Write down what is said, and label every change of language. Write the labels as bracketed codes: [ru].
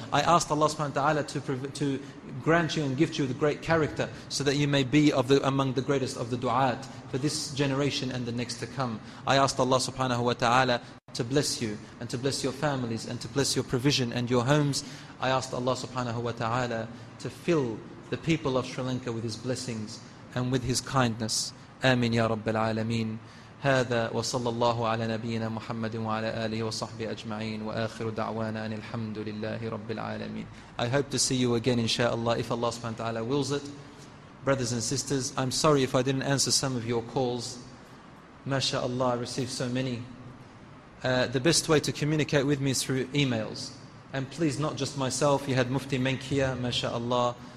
[en] I ask Allah subhanahu wa ta'ala to grant you and gift you with great character, so that you may be among the greatest of the du'at for this generation and the next to come. I ask Allah subhanahu wa ta'ala to bless you, and to bless your families, and to bless your provision and your homes. I ask Allah subhanahu wa ta'ala to fill the people of Sri Lanka with His blessings and with His kindness. [ar] Amin ya Rabbil Alameen. هذا وصلى الله على نبينا محمد وعلى آله وصحبه أجمعين وآخر دعوانا أن الحمد لله رب العالمين. [en] I hope to see you again inshallah, if Allah subhanahu wa ta'ala wills it. Brothers and sisters, I'm sorry if I didn't answer some of your calls. MashaAllah, I received so many. The best way to communicate with me is through emails. And please, not just myself. You had Mufti Menkia, MashaAllah.